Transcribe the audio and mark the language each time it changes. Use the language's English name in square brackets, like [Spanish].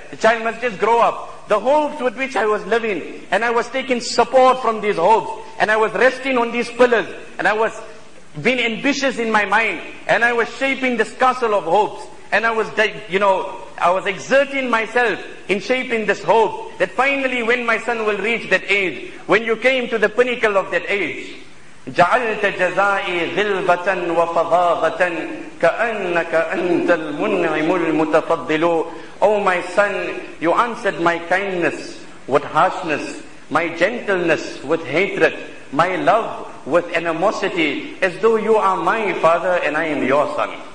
[English] The child must just grow up. The hopes with which I was living, and I was taking support from these hopes, and I was resting on these pillars, and I was being ambitious in my mind, and I was shaping this castle of hopes, and I was, you know, I was exerting myself in shaping this hope, that finally when my son will reach that age, when you came to the pinnacle of that age, [Arabic] جعلت جزائي ذلبة وفظاظة كأنك أنت المنعم المتفضل. [English] Oh my son, you answered my kindness with harshness, my gentleness with hatred, my love with animosity, as though you are my father and I am your son.